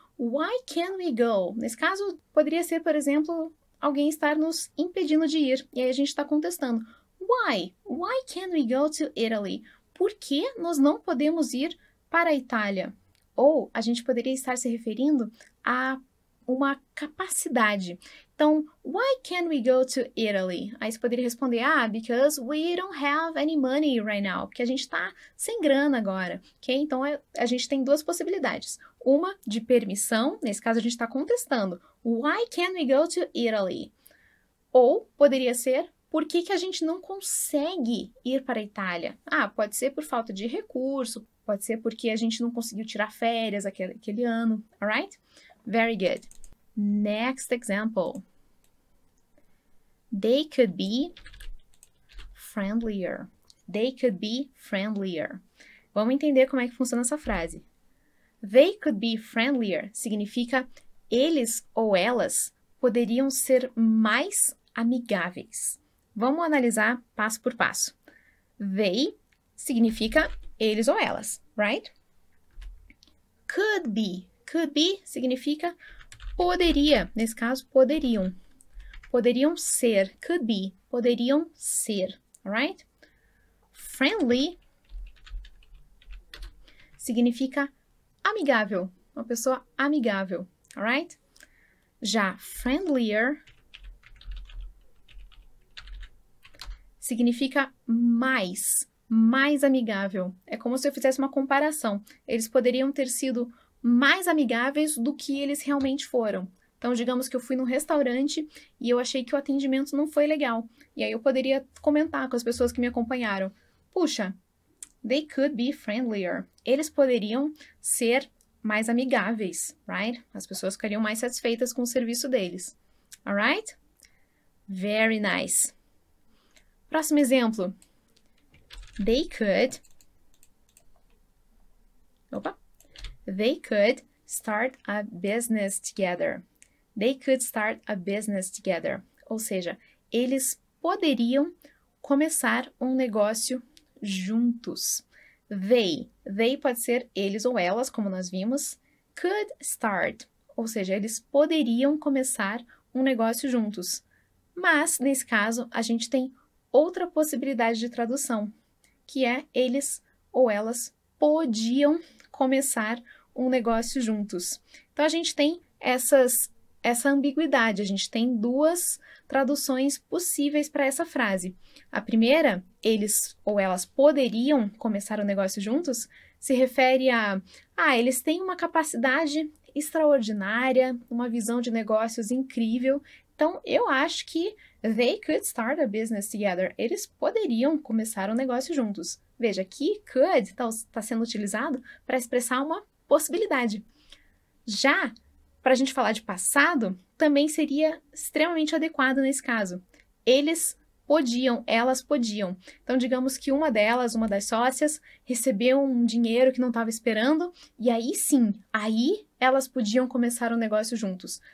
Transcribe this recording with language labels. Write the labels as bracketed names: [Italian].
[English] Why can't we go? [Portuguese] Nesse caso, poderia ser, por exemplo, alguém estar nos impedindo de ir. E aí a gente está contestando. [English] Why can't we go to Italy? [Portuguese] Por que nós não podemos ir para a Itália? Ou a gente poderia estar se referindo a uma capacidade. [English] Então, why can't we go to Italy? [Portuguese] Aí você poderia responder, [English] ah, because we don't have any money right now. [Portuguese] Porque a gente está sem grana agora. Okay? Então, a gente tem duas possibilidades. Uma de permissão, nesse caso a gente está contestando. [English] Why can't we go to Italy? [Portuguese] Ou poderia ser, por que que a gente não consegue ir para a Itália? Ah, pode ser por falta de recurso, pode ser porque a gente não conseguiu tirar férias aquele ano, alright? [English] Very good. Next example. They could be friendlier. They could be friendlier. [Portuguese] Vamos entender como é que funciona essa frase. [English] They could be friendlier [Portuguese] significa eles ou elas poderiam ser mais amigáveis. Vamos analisar passo por passo. They significa eles ou elas, right? Could be significa poderia, nesse caso, poderiam. Poderiam ser, could be, poderiam ser, right? Friendly significa amigável, uma pessoa amigável, alright? Já friendlier significa mais amigável. É como se eu fizesse uma comparação. Eles poderiam ter sido mais amigáveis do que eles realmente foram. Então, digamos que eu fui num restaurante e eu achei que o atendimento não foi legal. E aí eu poderia comentar com as pessoas que me acompanharam. Puxa, [English] they could be friendlier. [Portuguese] Eles poderiam ser mais amigáveis, right? As pessoas ficariam mais satisfeitas com o serviço deles. [English] Alright? Very nice. [Portuguese] Próximo exemplo. [English] They could... Opa! They could start a business together. They could start a business together. [Portuguese] Ou seja, eles poderiam começar um negócio juntos. They pode ser eles ou elas, como nós vimos. Could start. Ou seja, eles poderiam começar um negócio juntos. Mas, nesse caso, a gente tem outra possibilidade de tradução, que é eles ou elas podiam começar um negócio juntos. Então, a gente tem essa ambiguidade, a gente tem duas traduções possíveis para essa frase. A primeira, eles ou elas poderiam começar um negócio juntos, se refere a, eles têm uma capacidade extraordinária, uma visão de negócios incrível. Então, eu acho que [English] they could start a business together. [Portuguese] Eles poderiam começar um negócio juntos. Veja, aqui could está sendo utilizado para expressar uma possibilidade. Já, para a gente falar de passado, também seria extremamente adequado nesse caso. Eles podiam, elas podiam. Então, digamos que uma delas, uma das sócias, recebeu um dinheiro que não estava esperando, e aí sim, aí elas podiam começar um negócio juntos.